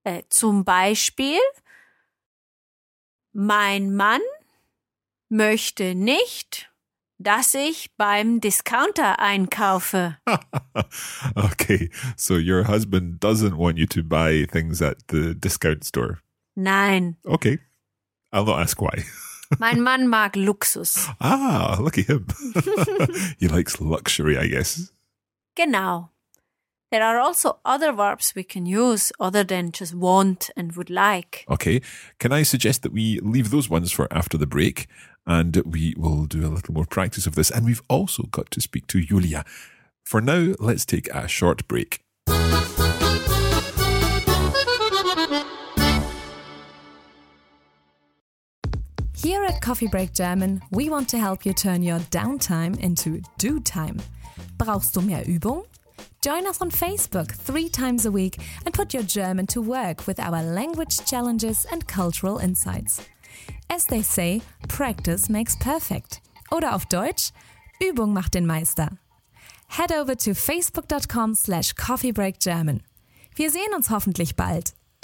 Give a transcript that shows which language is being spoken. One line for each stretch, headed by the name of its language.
German: Zum Beispiel, mein Mann möchte nicht, dass ich beim Discounter einkaufe.
English: Okay, so your husband doesn't want you to buy things at the discount store.
German: Nein.
English: Okay, I'll not ask why.
German: Mein Mann mag Luxus.
English: Ah, look at him. He likes luxury, I guess.
German: Genau.
English: There are also other verbs we can use other than just want and would like. Okay, can I suggest that we leave those ones for after the break? And we will do a little more practice of this. And we've also got to speak to Julia. For now, let's take a short break. Here at Coffee Break German, we want to help you turn your downtime into do time.
German: Brauchst du mehr Übung?
English: Join us on Facebook 3 times a week and put your German to work with our language challenges and cultural insights. As they say, practice makes perfect.
German: Oder auf Deutsch, Übung macht den Meister.
English: Head over to facebook.com/coffeebreakgerman.
German: Wir sehen uns hoffentlich bald.